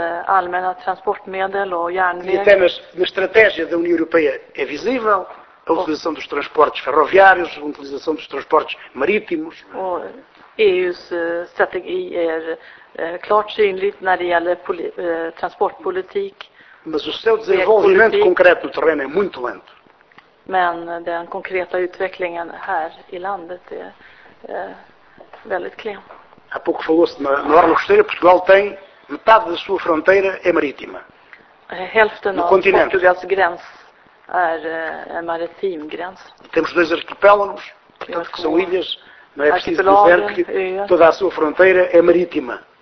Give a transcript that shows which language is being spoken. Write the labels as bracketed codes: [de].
[sv] allmänna transportmedel och järnväg, [pt] e até na estratégia da União Europeia é visível a utilização dos transportes ferroviários, a utilização dos transportes marítimos. [sv] EU:s strategi är klart synligt när det gäller transportpolitik. [pt] Mas o seu desenvolvimento concreto no terreno é muito lento. [sv] Men den konkreta utvecklingen här i landet är väldigt klen. [pt] Há pouco falou-se na norma costeira. Portugal tem metade da sua fronteira é marítima. [sv] Hälften av Portugals gräns är en maritim gräns. [pt] Temos dois arquipélagos, portanto, que são ilhas. Não é preciso dizer que toda a sua fronteira é marítima.